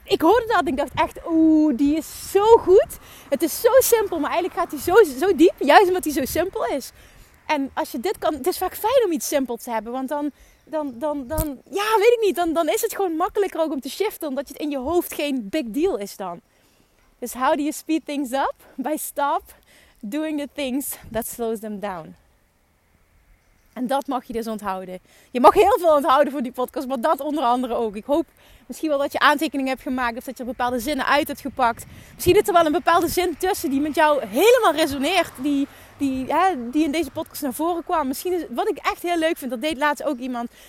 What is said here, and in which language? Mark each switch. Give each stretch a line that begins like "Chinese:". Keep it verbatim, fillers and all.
Dutch: Ik hoorde dat en ik dacht echt, oeh, die is zo goed. Het is zo simpel, maar eigenlijk gaat hij zo, zo diep. Juist omdat hij zo simpel is. En als je dit kan... Het is vaak fijn om iets simpel te hebben. Want dan... dan, dan, dan ja, weet ik niet. Dan, dan is het gewoon makkelijker ook om te shiften. Omdat het in je hoofd geen big deal is dan.
English: Dus how do you speed things up? By stop doing the things that slows them down.
Dutch: En dat mag je dus onthouden. Je mag heel veel onthouden voor die podcast, maar dat onder andere ook. Ik hoop misschien wel dat je aantekeningen hebt gemaakt of dat je bepaalde zinnen uit hebt gepakt. Misschien zit er wel een bepaalde zin tussen die met jou helemaal resoneert. Die, die, hè, die in deze podcast naar voren kwam. Misschien is, wat ik echt heel leuk vind, dat deed laatst ook iemand.